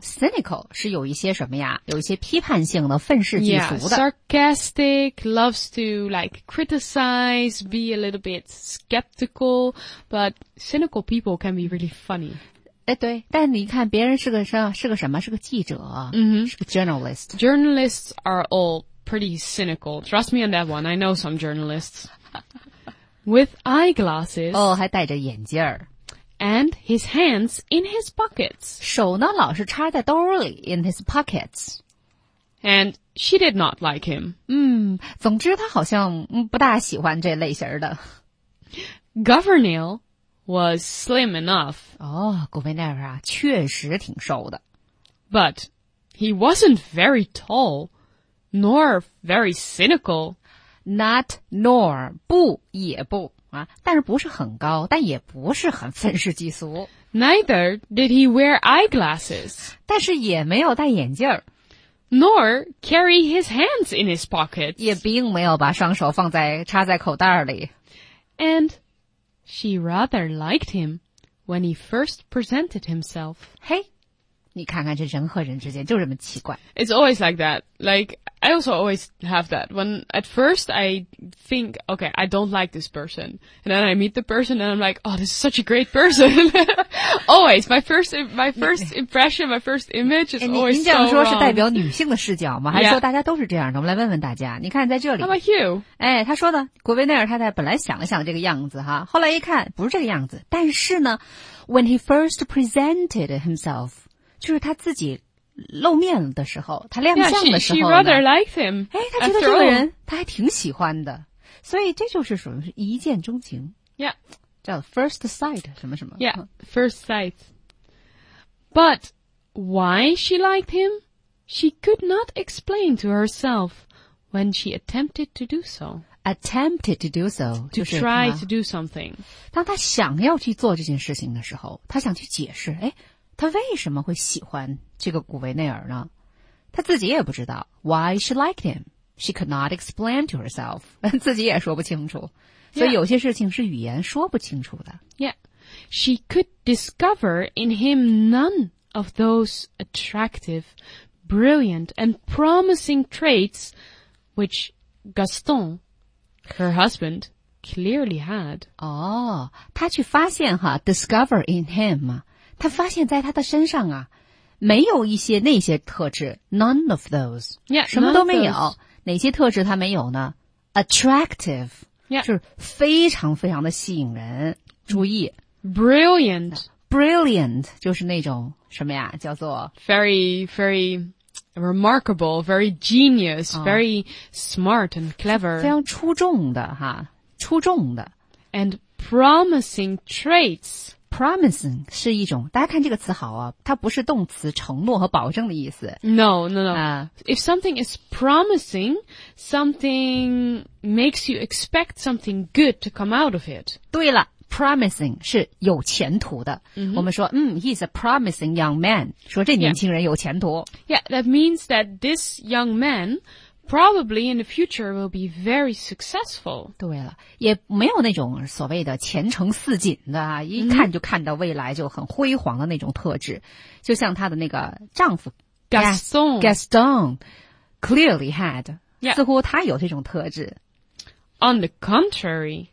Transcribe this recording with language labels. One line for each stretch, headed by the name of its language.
Chinese: Cynical 是有一些什么呀？有一些批判性的，愤世嫉俗的。
English: Yeah, sarcastic, loves to like criticize, be a little bit skeptical, but cynical people can be really funny.
Chinese: 哎，对，但你看别人是个什么？是个记者， mm-hmm. 是个 journalist.
English: Journalists are all pretty cynical. Trust me on that one. I know some journalists. With eyeglasses.
Chinese: 哦，还戴着眼镜儿。
English: And his hands in his pockets.
Chinese: 手呢老是插在兜里
English: in his pockets. And she did not like him.
Chinese: 总之他好像不大喜欢这类型的。
English: Gouvernail was slim enough.
Chinese: 哦 ,Gouvernail 啊确实挺瘦的。
English: But he wasn't very tall, nor very cynical. Not nor,
Chinese: 不也不。啊，但是不是很高，但也不是很愤世嫉俗。
English: Neither did he wear eyeglasses.
Chinese: 但是也没有戴眼镜。
English: Nor carry his hands in his pockets.
Chinese: 也并没有把双手插在口袋里。
English: And she rather liked him when he first presented himself.
Chinese: 嘿，你看看这人和人之间就这么奇怪。
English: It's always like that. Like... I also always have that. When at first I think, okay, I don't like this person. And then I meet the person and I'm like, oh, this is such a great person. always, my first impression, my first image is always so wrong.
Chinese: 您这样说是代表女性的视角吗？还是说大家都是这样的？我们来问问大家。你看在这里。
English: How about you?
Chinese: 哎，他说的，古维内尔太太本来想了想这个样子哈，后来一看不是这个样子。但是呢 ,
English: when he first presented himself,
Chinese: 就是他自己露面的时候，他亮相的时候呢？
English: Yeah, she rather liked him.
Chinese: 哎，他觉得这个人他还挺喜欢的，所以这就是属于一见钟情。
English: Yeah,
Chinese: 叫 first sight 什么什么。
English: Yeah, first sight. But why she liked him, she could not explain to herself when she attempted to do so. Attempted to do so, to try to do something.
Chinese: 当他想要去做这件事情的时候，他想去解释，哎。他为什么会喜欢这个古维内尔呢？他自己也不知道。
English: Why she liked him? She could not explain to herself.
Chinese: 自己也说不清楚。
English: Yeah.
Chinese: 所以有些事情是语言说不清楚的。
English: Yeah. She could discover in him none of those attractive, brilliant, and promising traits which Gaston, her husband, clearly had.
Chinese: 哦，他去发现哈 ,
English: discover in him.
Chinese: 他发现在他的身上啊没有一些那些特质 ,
English: none of those, yeah,
Chinese: 什么都没有。哪些特质他没有呢 ?attractive,、
English: yeah.
Chinese: 就是非常非常的吸引人。注意
English: brilliant
Chinese: brilliant 就是那种什么呀叫做
English: very very remarkable very genius、啊、 very smart and clever
Chinese: 非常出众的哈出众的
English: and promising traits
Chinese: promising 是一种大家看这个词好啊它不是动词承诺和保证的意思
English: no no no、if something is promising something makes you expect something good to come out of it
Chinese: 对了Promising 是有前途的、 mm-hmm. 我们说、
English: He's a promising young man
Chinese: 说这年轻人有前途
English: Yeah, that means that this young man Probably in the future will be very successful
Chinese: 对了也没有那种所谓的前程似锦的一看就看到未来就很辉煌的那种特质、mm-hmm. 就像他的那个丈夫
English: Gaston Gaston clearly had、 yeah.
Chinese: 似乎他有这种特质
English: On the contrary,